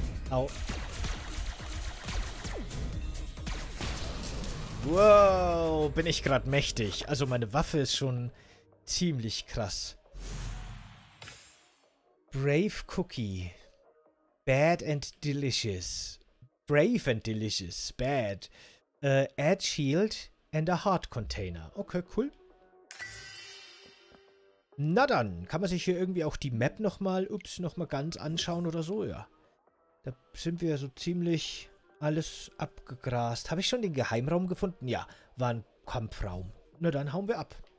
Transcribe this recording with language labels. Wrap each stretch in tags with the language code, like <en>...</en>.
<de>Au. Wow, bin ich gerade mächtig. Also meine Waffe ist schon ziemlich krass.</de> <en>Brave Cookie. Bad and delicious. Brave and delicious. Bad. Add Shield. And a Heart Container. Okay, cool.</en> <de>Na dann, kann man sich hier irgendwie auch die Map nochmal, ups, nochmal ganz anschauen oder so, ja. Da sind wir so ziemlich alles abgegrast. Habe ich schon den Geheimraum gefunden? Ja, war ein Kampfraum. Na dann hauen wir ab.</de>